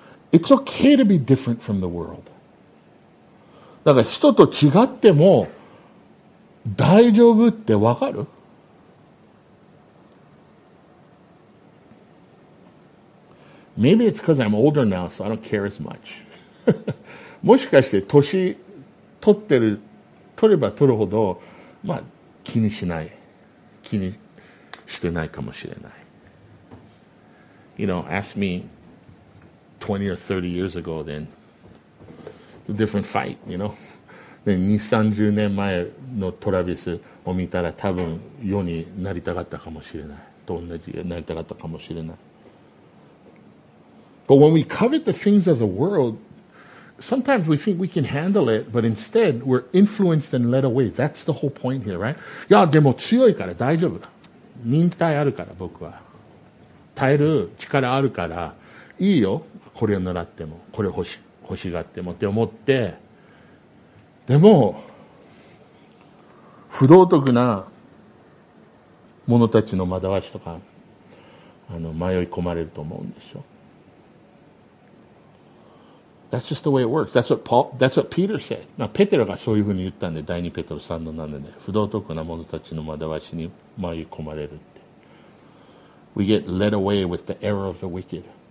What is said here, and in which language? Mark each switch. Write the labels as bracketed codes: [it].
[en] It's okay to be different from the world. [ja] だから、人と違っても、大丈夫ってわかる？ [en] Maybe it's because I'm older now, so I don't care as much. [ja] もしかして年取ってる、取れば取るほど、まあ気にしない。気にしてないかもしれない。 [en] You know, ask me 20 or 30 years ago then. It's a different fight, you know? [ja] で、2、30年前のトラビスを見たら多分世になりたかったかもしれない。と同じになりたかったかもしれない。 [en] But when we covet the things of the world, sometimes we think we can handle it, but instead we're influenced and led away. That's the whole point here, right? [ja] いや、でも強いから大丈夫だ。忍耐あるから僕は。耐える力あるから、いいよ。これを狙っても、これ欲しがってもって思って。でも、不道徳な者たちの惑わしとか、迷い込まれると思うんでしょ。 [en] That's just the way it works. That's what Paul, that's what Peter said. [ja] まあ、ペテロがそういうふうに言ったんで、第二ペテロ3の7で、不道徳な者たちの惑わしに迷い込まれるって。 [en] We get led away with the error of the wicked.